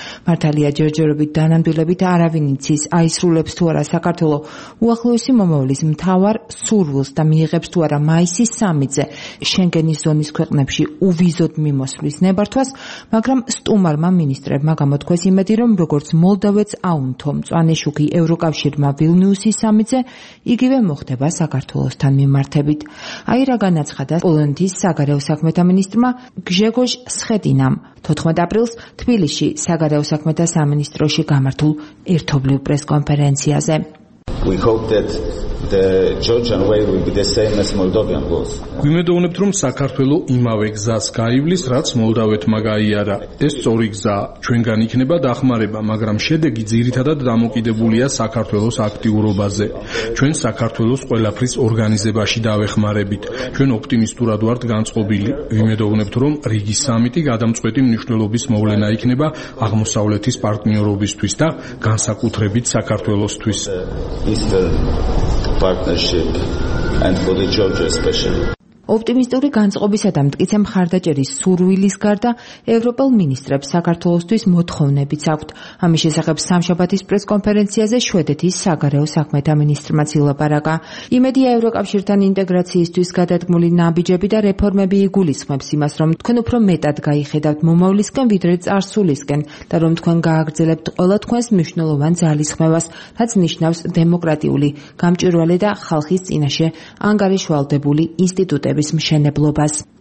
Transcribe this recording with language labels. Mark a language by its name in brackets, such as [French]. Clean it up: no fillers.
[Georgian] მართალია, ჯერჯერობით დანამდვილებით არავინ იცის, აისრულებს თუ არა საქართველო უახლოესი მომავლის მთავარ სურვილს და მიიღებს თუ არა მაისის სამიტზე შენგენის ზონის ქვეყნებში უვიზოდ მიმოსვლის ნებართვას, მაგრამ სტუმარმა მინისტრებმა გამოთქვეს იმედი, რომ როგორც მოლდავეთს აუნთო მწვანე შუქი ევროკავშირმა ვილნიუსის სამიტზე, იგივე მოხდება საქართველოსთან მიმართებით. აი რა განაცხადა პოლონეთის საგარეო საქმეთა მინისტრმა გჟეგოჟ სხედინამ 14 აპრილს თბილისში საგარეო საქმეთა სამინისტროში გამართულ ერთობლივ პრესკონფერენციაზე. [English] We hope that the Georgian way will be the same as Moldovan goals. [Georgian] გვიმედოვნებთ, რომ საქართველო იმავე გზას გაივლის, რაც მოლდავეთმა გაიარა. ეს სწორი გზა ჩვენგან იქნება დახმარება, მაგრამ შედეგი ძირითადად დამოკიდებულია საქართველოს აქტიურობაზე. ჩვენ საქართველოს ყველაფრის ორგანიზებაში დავეხმარებით. ჩვენ ოპტიმისტურად ვართ განწყობილი. ვიმედოვნებთ, რომ რიგის სამიტი გადამწყვეტი მნიშვნელობის მოვლენა იქნება აღმოსავლეთის პარტნიორობისთვის და განსაკუთრებით საქართველოსთვის. [English] Eastern partnership and for the Georgia special. [Georgian] ოპტიმისტური განწყობისა და მტკიცე მხარდაჭერის სურვილის გარდა ევროპელ მინისტრებს საქართველოსთვის მოთხოვნებიც აქვთ. ამის შესახებ სამშაბათის პრესკონფერენციაზე შვედეთის საგარეო საქმეთა მინისტრმა ილაპარაკა. იმედია, ევროკავშირთან ინტეგრაციისთვის გადადგმული ნაბიჯები და რეფორმები იგულისხმებს იმას, რომ თქვენ უფრო მეტად გაიხედავთ მომავლისკენ, ვიდრე წარსულისკენ და რომ თქვენ გააგრძელებთ ყველა თქვენს მნიშვნელოვან ძალისხმევას, რაც ნიშნავს დემოკრატიული, გამჭვირვალე და ხალხის წინაშე ანგარიშვალდებული ინსტიტუტი დების მშენებლობას.